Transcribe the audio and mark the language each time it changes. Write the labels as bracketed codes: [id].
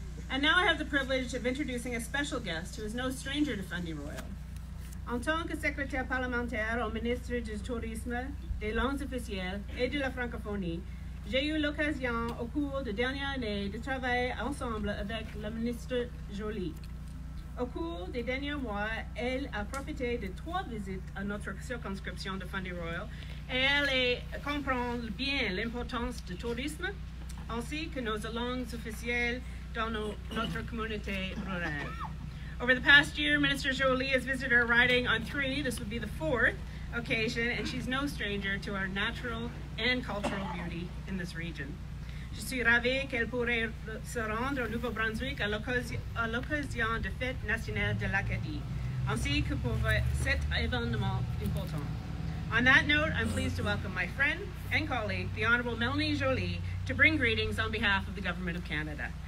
[en] And now I have the privilege of introducing a special guest who is no stranger to Fundy Royal. [fr] En tant que secrétaire parlementaire au ministre du Tourisme, des Langues officielles et de la Francophonie, j'ai eu l'occasion au cours de dernière année de travailler ensemble avec la ministre Jolie. Au cours des derniers mois, elle a profité de 3 visites à notre circonscription de Fundy Royal et elle comprend bien l'importance du tourisme ainsi que nos langues officielles dans notre communauté rurale. [en] Over the past year, Minister Jolie has visited our riding on 3, this would be the 4th occasion, and she's no stranger to our natural and cultural beauty in this region. [fr] Je suis ravie qu'elle pourrait se rendre au Nouveau-Brunswick à l'occasion de fête nationale de l'Acadie, ainsi que pour cet événement important. [en] On that note, I'm pleased to welcome my friend and colleague, the Honorable Melanie Jolie, to bring greetings on behalf of the Government of Canada.